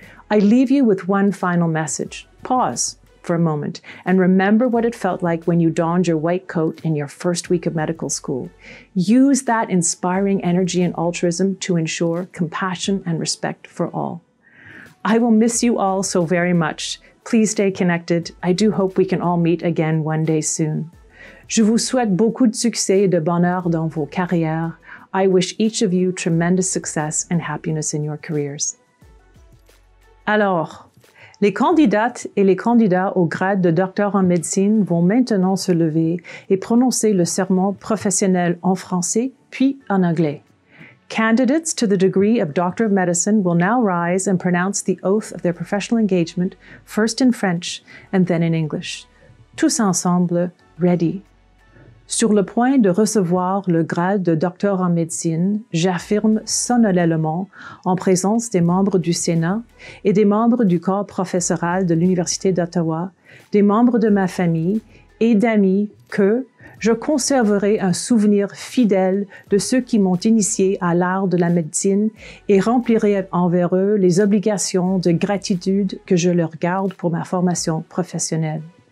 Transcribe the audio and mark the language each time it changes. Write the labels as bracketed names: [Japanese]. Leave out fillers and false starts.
[English] I leave you with one final message. Pause for a moment and remember what it felt like when you donned your white coat in your first week of medical school. Use that inspiring energy and altruism to ensure compassion and respect for all. I will miss you all so very much. Please stay connected. I do hope we can all meet again one day soon. [French] Je vous souhaite beaucoup de succès et de bonheur dans vos carrières. [English] I wish each of you tremendous success and happiness in your careers. [French] Alors, les candidates et les candidats au grade de docteur en médecine vont maintenant se lever et prononcer le serment professionnel en français, puis en anglais. [English] Candidates to the degree of Doctor of Medicine will now rise and pronounce the oath of their professional engagement, first in French and then in English. [French] Tous ensemble, ready. Sur le point de recevoir le grade de docteur en médecine, j'affirme solennellement, en présence des membres du Sénat et des membres du corps professoral de l'Université d'Ottawa, des membres de ma famille et d'amis, que je conserverai un souvenir fidèle de ceux qui m'ont initié à l'art de la médecine et remplirai envers eux les obligations de gratitude que je leur garde pour ma formation professionnelle.